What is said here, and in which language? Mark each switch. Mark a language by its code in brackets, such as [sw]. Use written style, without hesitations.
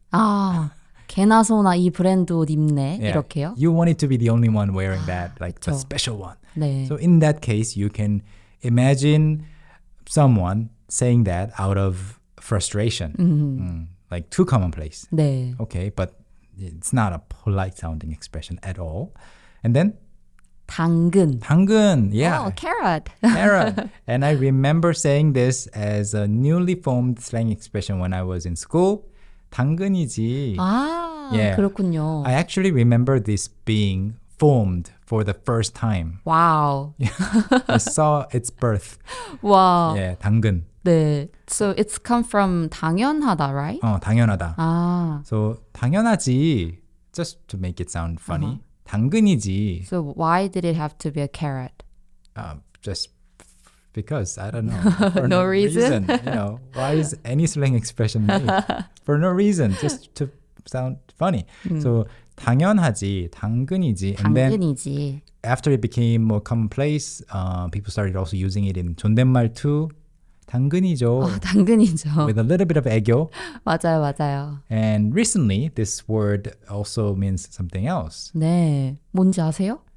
[ko] 아, 개나 소나 이 브랜드 옷 입네, [en] yeah. [ko] 이렇게요? [en] You want it to be the only one wearing that, like [ko] 그쵸. [en] The special one. [ko] 네. [en] So in that case, you can imagine someone saying that out of frustration. Mm-hmm. Like too commonplace. [ko] 네. [en] Okay, but it's not a polite sounding expression at all. And then [ko] 당근. 당근, [en] yeah. Oh, carrot. Carrot. And I remember saying this as a newly formed slang expression when I was in school. [ko] 당근이지. 아, [en] yeah. [ko] 그렇군요. [en] I actually remember this being formed for the first time. Wow. I saw its birth. Wow. Yeah, 당근. [ko] 네. [en] So it's come from 당연하다, right? [ko] 어, 당연하다. 아. [en] So [ko] 당연하지. [en] Just to make it sound funny. Uh-huh. [ko] 당근이지. [en] So why did it have to be a carrot? Just because, I don't know. For no reason? You know, why is any slang expression made? For no reason, just to sound funny. [ko] So 당연하지, 당근이지. 당근이지. [en] And then after it became more commonplace, people started also using it in 존댓말 too. [ko] 당근이죠. 어, 당근이죠. [en] With a little bit of 애교. [ko] 맞아요, 맞아요. [en] And recently, this word also means something else. [ko] 네, 뭔지 아세요?